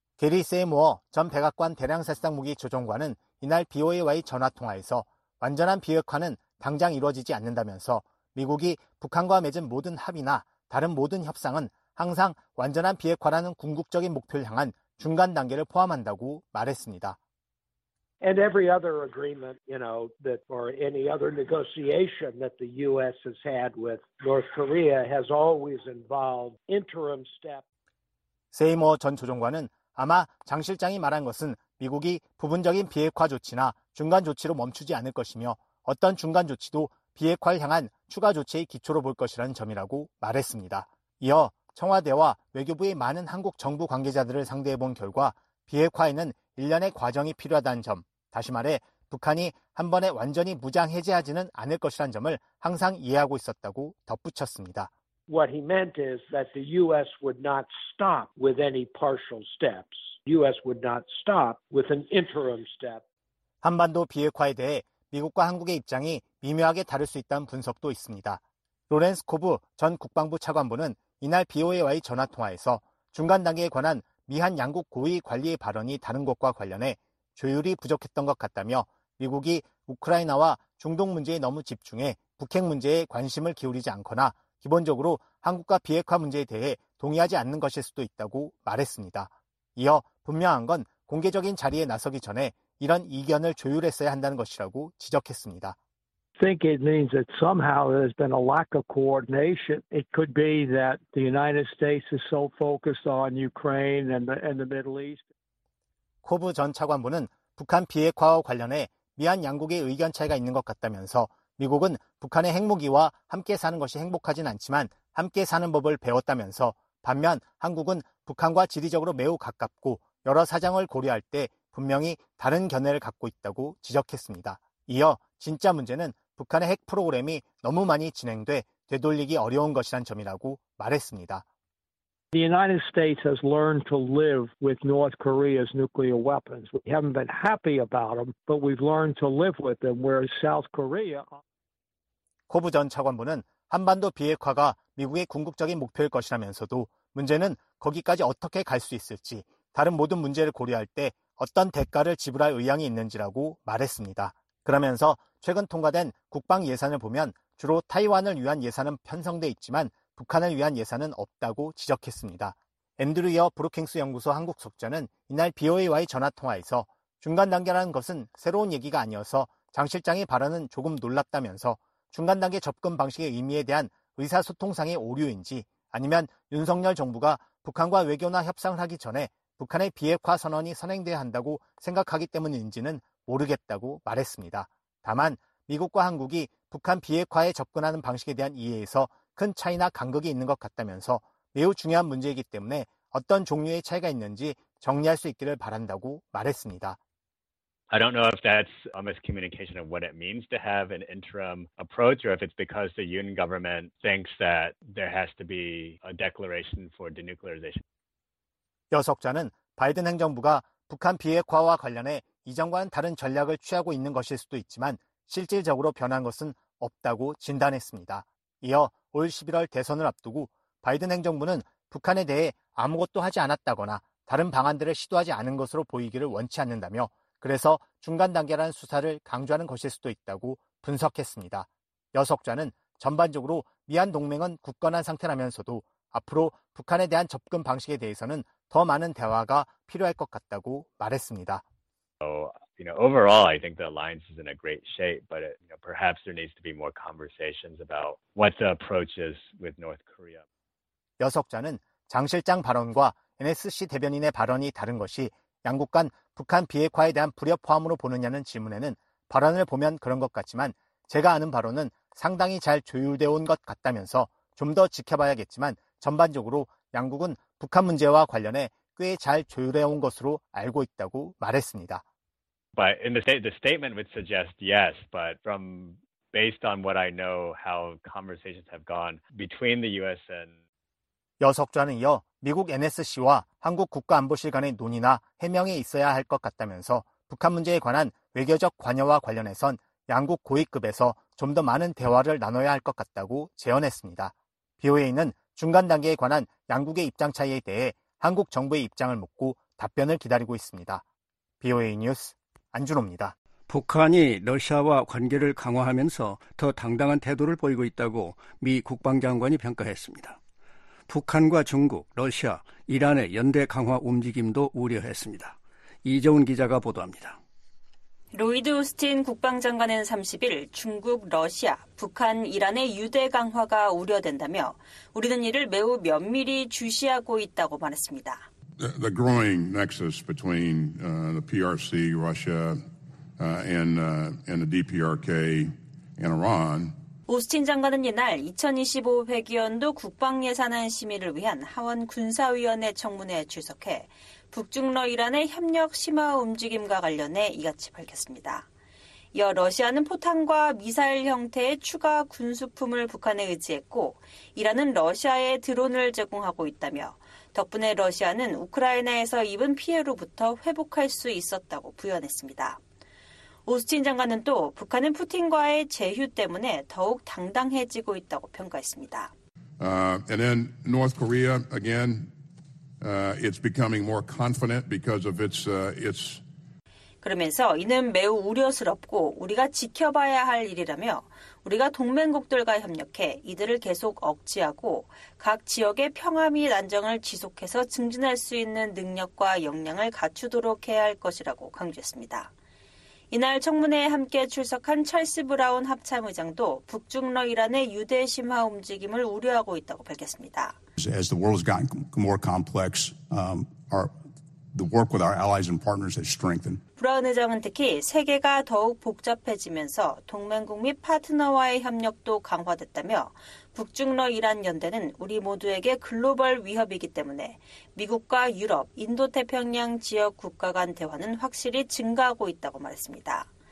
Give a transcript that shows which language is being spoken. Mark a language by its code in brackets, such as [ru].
[ko] 게리 세이모어 전 백악관 대량살상 무기 조정관은 이날 BOA와의 전화통화에서 완전한 비핵화는 당장 이루어지지 않는다면서 미국이 북한과 맺은 모든 합의나 다른 모든 협상은 항상 완전한 비핵화라는 궁극적인 목표를 향한 중간 단계를 포함한다고 말했습니다. [en] And every other agreement, you know, that or any other negotiation that the U.S. has had with North Korea has always involved interim steps. [ko] 세이머 전 조정관은 아마 장 실장이 말한 것은 미국이 부분적인 비핵화 조치나 중간 조치로 멈추지 않을 것이며 어떤 중간 조치도 비핵화를 향한 추가 조치의 기초로 볼 것이라는 점이라고 말했습니다. 이어 청와대와 외교부의 많은 한국 정부 관계자들을 상대해 본 결과 비핵화에는 일련의 과정이 필요하다는 점, 다시 말해 북한이 한 번에 완전히 무장 해제하지는 않을 것이란 점을 항상 이해하고 있었다고 덧붙였습니다. [en] What he meant is that the U.S. would not stop with any partial steps. U.S. would not stop with an interim step. [ko] 한반도 비핵화에 대해 미국과 한국의 입장이 미묘하게 다를 수 있다는 분석도 있습니다. 로렌스 코브 전 국방부 차관보는 이날 BOA와의 전화 통화에서 중간 단계에 관한 미한 양국 고위 관리의 발언이 다른 것과 관련해 조율이 부족했던 것 같다며 미국이 우크라이나와 중동 문제에 너무 집중해 북핵 문제에 관심을 기울이지 않거나 기본적으로 한국과 비핵화 문제에 대해 동의하지 않는 것일 수도 있다고 말했습니다. 이어 분명한 건 공개적인 자리에 나서기 전에 이런 이견을 조율했어야 한다는 것이라고 지적했습니다. [en] I think it means that somehow there's been a lack of coordination. It could be that the United States is so focused on Ukraine and the Middle East. [ko] 코브 전 차관보는 북한 비핵화와 관련해 미한 양국의 의견 차이가 있는 것 같다면서 미국은 북한의 핵무기와 함께 사는 것이 행복하진 않지만 함께 사는 법을 배웠다면서 반면 한국은 북한과 지리적으로 매우 가깝고 여러 사정을 고려할 때 분명히 다른 견해를 갖고 있다고 지적했습니다. 이어 진짜 문제는 북한의 핵 프로그램이 너무 많이 진행돼 되돌리기 어려운 것이란 점이라고 말했습니다. [en] The United States has learned to live with North Korea's nuclear weapons. We haven't been happy about them, but we've learned to live with them. Whereas South Korea, [ko] 코브 전 차관보는 한반도 비핵화가 미국의 궁극적인 목표일 것이라면서도 문제는 거기까지 어떻게 갈 수 있을지 다른 모든 문제를 고려할 때 어떤 대가를 지불할 의향이 있는지라고 말했습니다. 그러면서 최근 통과된 국방 예산을 보면 주로 타이완을 위한 예산은 편성돼 있지만 북한을 위한 예산은 없다고 지적했습니다. 앤드류 이어 브루킹스 연구소 한국 속자는 이날 BOA와의 전화 통화에서 중간 단계라는 것은 새로운 얘기가 아니어서 장 실장의 발언은 조금 놀랍다면서 중간 단계 접근 방식의 의미에 대한 의사소통상의 오류인지 아니면 윤석열 정부가 북한과 외교나 협상을 하기 전에 북한의 비핵화 선언이 선행돼야 한다고 생각하기 때문인지는 모르겠다고 말했습니다. 다만 미국과 한국이 북한 비핵화에 접근하는 방식에 대한 이해에서 큰 차이나 간극이 있는 것 같다면서 매우 중요한 문제이기 때문에 어떤 종류의 차이가 있는지 정리할 수 있기를 바란다고 말했습니다. [en] I don't know if that's a miscommunication of what it means to have an interim approach or if it's because the Yoon government thinks that there has to be a declaration for denuclearization. [ko] 여석자는 바이든 행정부가 북한 비핵화와 관련해 이전과는 다른 전략을 취하고 있는 것일 수도 있지만 실질적으로 변한 것은 없다고 진단했습니다. 이어 올 11월 대선을 앞두고 바이든 행정부는 북한에 대해 아무것도 하지 않았다거나 다른 방안들을 시도하지 않은 것으로 보이기를 원치 않는다며 그래서 중간 단계라는 수사를 강조하는 것일 수도 있다고 분석했습니다. 여석자는 전반적으로 미한 동맹은 굳건한 상태라면서도 앞으로 북한에 대한 접근 방식에 대해서는 더 많은 대화가 필요할 것 같다고 말했습니다. [en] You know, overall, I think the alliance is in a great shape, but it, you know, perhaps there needs to be more conversations about what the approach is with North Korea. [ko] 여석자는 장 실장 발언과 NSC 대변인의 발언이 다른 것이 양국 간 북한 비핵화에 대한 불협화음으로 보느냐는 질문에는 발언을 보면 그런 것 같지만 제가 아는 바로는 상당히 잘 조율되어 온 것 같다면서 좀 더 지켜봐야겠지만 전반적으로 양국은 북한 문제와 관련해 꽤 잘 조율해 온 것으로 알고 있다고 말했습니다. [en] But in the statement would suggest yes, but from based on what I know, how conversations have gone between the U.S. and [ko] 여석좌는 이어 미국 NSC와 한국 국가안보실 간의 논의나 해명이 있어야 할 것 같다면서 북한 문제에 관한 외교적 관여와 관련해선 양국 고위급에서 좀 더 많은 대화를 나눠야 할 것 같다고 제언했습니다. BOA는 중간 단계에 관한 양국의 입장 차이에 대해 한국 정부의 입장을 묻고 답변을 기다리고 있습니다. BOA 뉴스 안준호입니다. 북한이 러시아와 관계를 강화하면서 더 당당한 태도를 보이고 있다고 미 국방장관이 평가했습니다. 북한과 중국, 러시아, 이란의 연대 강화 움직임도 우려했습니다. 이재훈 기자가 보도합니다. 로이드 오스틴 국방장관은 30일 중국, 러시아, 북한, 이란의 유대 강화가 우려된다며 우리는 이를 매우 면밀히 주시하고 있다고 말했습니다. [en] The growing nexus between the PRC, Russia, and the DPRK and Iran. [ko] 오스틴 장관은 이날 2025 회기연도 국방 예산안 심의를 위한 하원 군사위원회 청문회에 출석해 북중러 이란의 협력 심화 움직임과 관련해 이같이 밝혔습니다. 이어 러시아는 포탄과 미사일 형태의 추가 군수품을 북한에 의지했고 이란은 러시아에 드론을 제공하고 있다며 덕분에 러시아는 우크라이나에서 입은 피해로부터 회복할 수 있었다고 부연했습니다. 오스틴 장관은 또 북한은 푸틴과의 제휴 때문에 더욱 당당해지고 있다고 평가했습니다. [en] And then North Korea again, it's becoming more confident because of its its. [ko] 그러면서 이는 매우 우려스럽고 우리가 지켜봐야 할 일이라며 우리가 동맹국들과 협력해 이들을 계속 억제하고 각 지역의 평화 및 안정을 지속해서 증진할 수 있는 능력과 역량을 갖추도록 해야 할 것이라고 강조했습니다. 이날 청문회에 함께 출석한 찰스 브라운 합참의장도 북중러 이란의 유대심화 움직임을 우려하고 있다고 밝혔습니다. [en] As the world has gotten more complex, the work with our allies and partners has strengthened. [ko] 브라운 의장은 특히 세계가 더욱 복잡해지면서 동맹국 및 파트너와의 협력도 강화됐다며 북중러 이란 연대는 우리 모두에게 글로벌 위협이기 때문에 미국과 유럽, 인도태평양 지역 국가 간 대화는 확실히 증가하고 있다고 말했습니다.